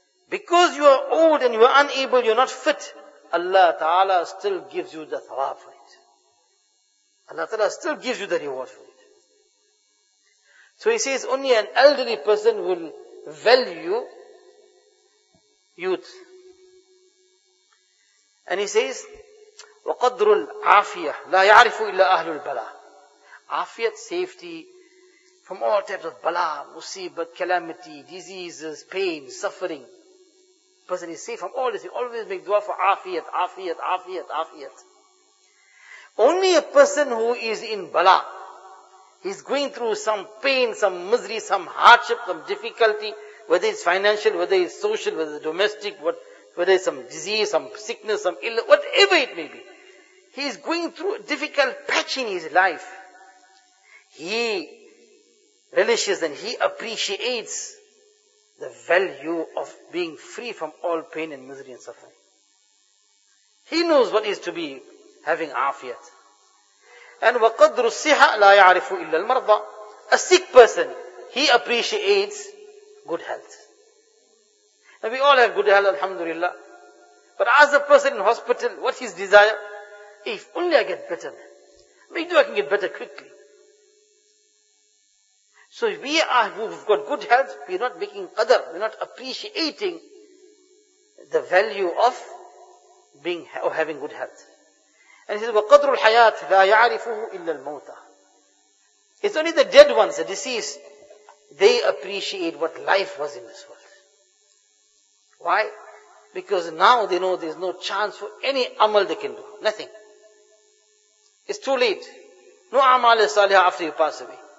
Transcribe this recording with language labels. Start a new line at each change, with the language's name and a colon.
English: Because you are old and you are unable, you're not fit, Allah Ta'ala still gives you the thawab for it. Allah Ta'ala still gives you the reward for it. So he says, only an elderly person will value youth. And he says,
Arabic: وَقَدْرُ الْعَافِيَةِ لَا يَعْرِفُ إِلَّا أَهْلُ الْبَلَىٰ.
English: Afiyat, safety, from all types of bala, musibat, calamity, diseases, pain, suffering. Person is safe from all this. He always make dua for afiyat, afiyat, afiyat, afiyat. Only a person who is in bala, he's going through some pain, some misery, some hardship, some difficulty, whether it's financial, whether it's social, whether it's domestic, whether it's some disease, some sickness, some illness, whatever it may be. He is going through a difficult patch in his life. He relishes and he appreciates the value of being free from all pain and misery and suffering. He knows what is to be having afiyat.
Arabic: And وَقَدْرُ الصِّحَةَ لَا يَعْرِفُ إِلَّا الْمَرْضَى.
English: A sick person, he appreciates good health. And we all have good health, alhamdulillah. But as a person in hospital, what his desire? If only I get better, man. Make sure I can get better quickly. So if we are, we've got good health, we're not making qadr, we're not appreciating the value of being, or having good health. And he says,
Arabic: وَقَدْرُ الْحَيَاةِ لَا يَعْرِفُهُ إِلَّا الْمَوْتَى.
English: It's only the dead ones, the deceased, they appreciate what life was in this world. Why? Because now they know there's no chance for any amal they can do. Nothing. It's too late. No amal is salih after you pass away.